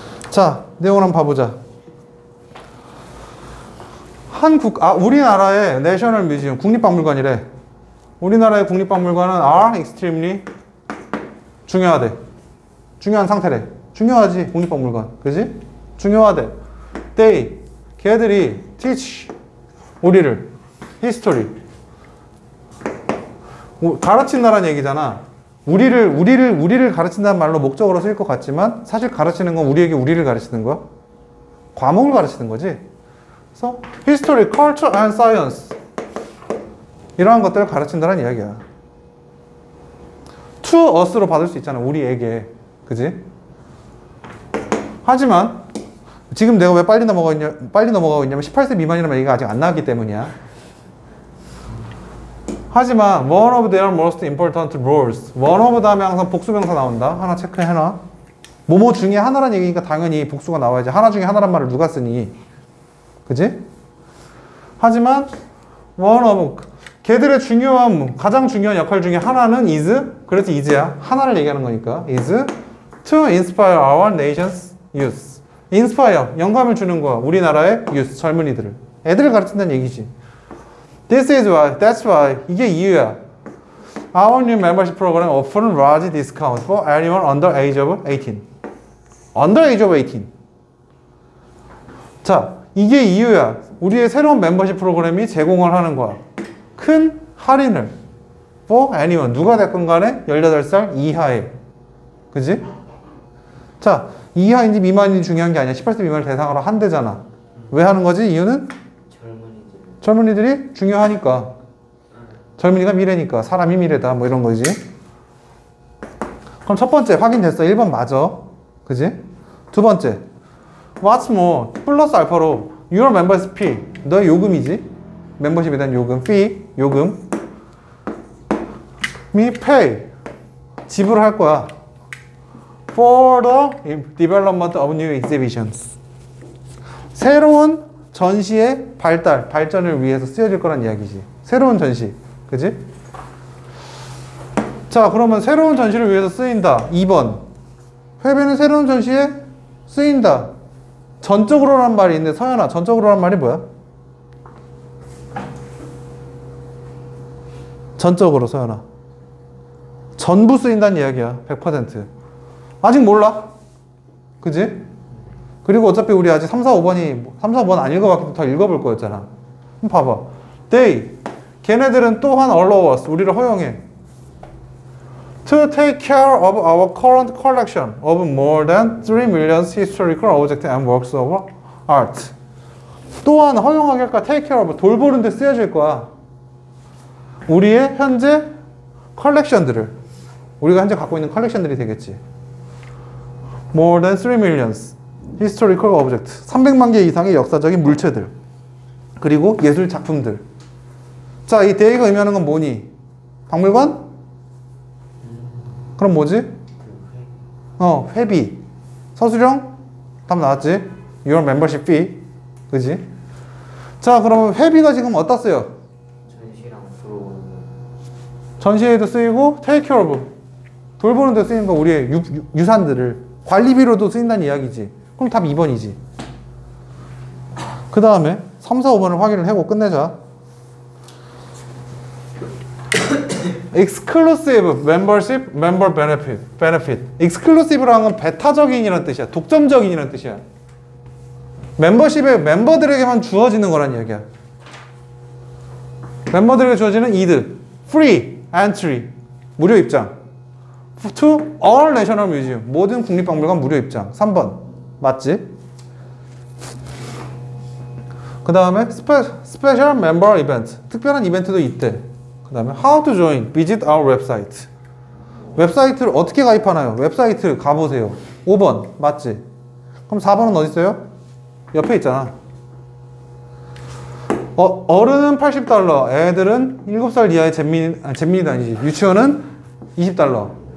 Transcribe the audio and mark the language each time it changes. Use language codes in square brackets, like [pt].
[ko] 자, 내용을 한번 봐보자. 한국, 아, 우리나라의 내셔널 뮤지엄, 국립박물관이래. 우리나라의 국립박물관은 [en] are extremely [ko] 중요하대. 중요한 상태래. 중요하지, 국립박물관. 그지? 중요하대. [en] They, [ko] 걔들이 [en] teach [ko] 우리를 [en] history. [ko] 가르친다란 얘기잖아. 우리를 가르친다는 말로 목적으로 쓰일 것 같지만, 사실 가르치는 건 우리에게 우리를 가르치는 거야. 과목을 가르치는 거지. 그래서 [en] history, culture and science. [ko] 이러한 것들을 가르친다란 이야기야. [en] to us [ko] 로 받을 수 있잖아. 우리에게. 그지? 하지만 지금 내가 왜 빨리 넘어가고 있냐면 18세 미만이라면 얘기가 아직 안 나왔기 때문이야. 하지만 [en] one of their most important roles, one of [ko] 다음에 항상 복수명사 나온다. 하나 체크해놔. 뭐뭐 중에 하나란 얘기니까 당연히 복수가 나와야지. 하나 중에 하나란 말을 누가 쓰니. 그지? 하지만 [en] one of [ko] 걔들의 중요한 가장 중요한 역할 중에 하나는 is. 그래서 is야. 하나를 얘기하는 거니까 [en] is to inspire our nation's youth. [ko] inspire 영감을 주는 거야. 우리나라의 youth 젊은이들을 애들을 가르친다는 얘기지. [en] This is why. That's why. [ko] 이게 이유야. [en] Our new membership program offers large discounts for anyone under age of 18. Under age of 18. [ko] 자, 이게 이유야. 우리의 새로운 멤버십 프로그램이 제공을 하는 거야. 큰 할인을. [en] For anyone. [ko] 누가 됐건 간에 18살 이하에. 그지? 자, 이하인지 미만인지 중요한 게 아니야. 18세 미만을 대상으로 한대잖아. 왜 하는 거지? 이유는? 젊은이들이 중요하니까. 젊은이가 미래니까. 사람이 미래다. 뭐 이런 거지. 그럼 첫 번째 확인됐어. 1번 맞아. 그지? 두 번째. [en] What's more? [ko] 플러스 알파로. [en] Your members fee. [ko] 너의 요금이지. 멤버십에 대한 요금. fee. 요금. [en] me pay. 지불할 거야. For the development of new exhibitions. [ko] 새로운 전시의 발달, 발전을 위해서 쓰여질 거란 이야기지. 새로운 전시. 그지? 자, 그러면 새로운 전시를 위해서 쓰인다. 2번. 회비는 새로운 전시에 쓰인다. 전적으로란 말이 있는데, 서현아, 전적으로란 말이 뭐야? 전적으로, 서현아. 전부 쓰인다는 이야기야. 100%. 아직 몰라. 그지? 그리고 어차피 우리 아직 3, 4, 5번이, 3, 4, 5번 안 읽어봤기 때문에 더 읽어볼 거였잖아. 그럼 봐봐. They. 걔네들은 또한 [en] allow us. [ko] 우리를 허용해. [en] To take care of our current collection of more than 3 million historical objects and works of art. [ko] 또한 허용하게 할까? [en] Take care of. [ko] 돌보는 데 쓰여질 거야. 우리의 현재 컬렉션들을. 우리가 현재 갖고 있는 컬렉션들이 되겠지. [en] More than 3 million. Historical object. [ko] 300만 개 이상의 역사적인 물체들. 그리고 예술 작품들. 자, 이 데이가 의미하는 건 뭐니? 박물관? 그럼 뭐지? 회비. 서술형? 답 나왔지? [en] Your membership fee. [ko] 그지? 자, 그러면 회비가 지금 어디다 써요? 전시랑 들어오는. 전시에도 쓰이고, [en] take care of. [ko] 돌보는 데 쓰이는 거 우리의 유산들을. 관리비로도 쓰인다는 이야기지. 그럼 답 2번이지. 그 다음에 3, 4, 5번을 확인을 하고 끝내자. [en] Exclusive membership, member benefit. [ko] Exclusive라는 건 배타적인이라는 뜻이야. 독점적인이라는 뜻이야. 멤버십의 멤버들에게만 주어지는 거란 이야기야. 멤버들에게 주어지는 이득. [en] Free entry. [ko] 무료 입장. [en] To all national museum. [ko] 모든 국립박물관 무료 입장. 3번. 맞지? 그 다음에 [en] special member event. [ko] 특별한 이벤트도 있대. 그 다음에 [en] how to join. Visit our website. [ko] 웹사이트를 어떻게 가입하나요? 웹사이트 가보세요. 5번 맞지? 그럼 4번은 어디 있어요? 옆에 있잖아. 어른은 $80. 애들은 7살 이하의 잼민이 아니지. 유치원은 $20.